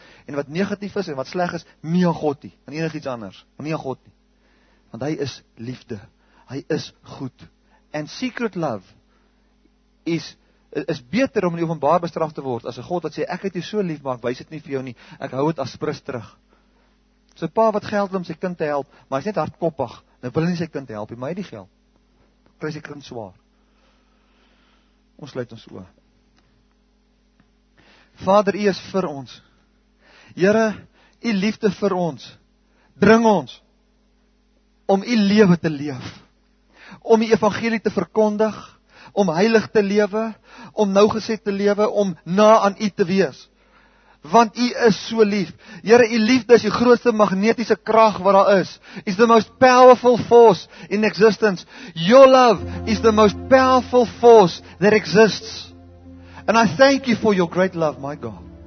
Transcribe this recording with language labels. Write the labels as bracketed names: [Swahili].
[Afrikaans] En wat negatief is en wat sleg is, nie aan God nie, aan enigiets anders, nie aan God nie. Want hy is liefde. Hy is goed. [English] And secret love [Afrikaans] is beter om in die openbaar bestraf te word as 'n God wat sê ek het jou so lief, maar ek wys dit nie vir jou nie. Ek hou dit as prys terug. So 'n pa wat geld wil om sy kind te help, maar hy's net hardkoppig. Hy wil nie sy kind help nie, maar hy het die geld. Kry sy kind swaar. Ons sluit ons oë. Vader, U is vir ons. Here, U liefde vir ons dring ons om U lewe te leef. Om die evangelie te verkondig, om heilig te lewe, om nougeset te lewe, om na aan U te wees. Want U is so lief. Here, U liefde is die grootste magnetiese krag wat daar is. [English] It's the most powerful force in existence. Your love is the most powerful force that exists. And I thank you for your great love, my God.